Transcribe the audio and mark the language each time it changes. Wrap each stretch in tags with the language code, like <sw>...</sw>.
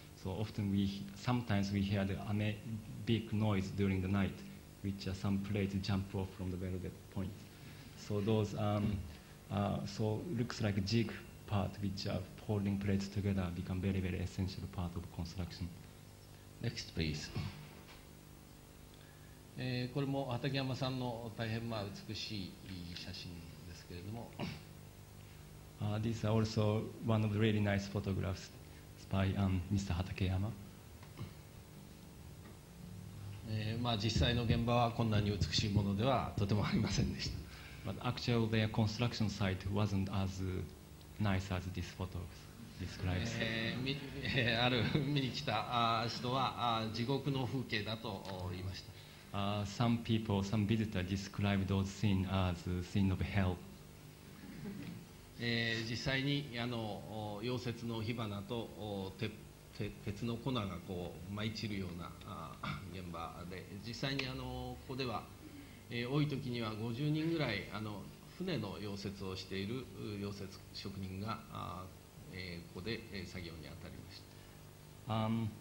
<en>So often we sometimes we hear the big noise during the night, which are some plates jump off from the welded point. So those so looks like jig part which are holding plates together become very very essential part of construction. Next please.</en> <ja>これも畠山さんの大変まあ美しい写真ですけれども、</ja> <en>This is also one of the really nice photographs by Mr.</en> <ja>畠山。まあ実際の現場はこんなに美しいものではとてもありませんでした。</ja> <en>But actually the construction site wasn't as nice as this photo describes.</en> <ja>ある見に来た人は地獄の風景だと言いました。</ja> <en>Some people, some visitors describe those scenes as a scene of hell.</en> <ja>実際にあの溶接の火花と鉄の粉がこう舞い散るような現場で、実際にあのここでは多い時には50人ぐらいあの船の溶接をしている溶接職人がここで作業に当たりました。</ja>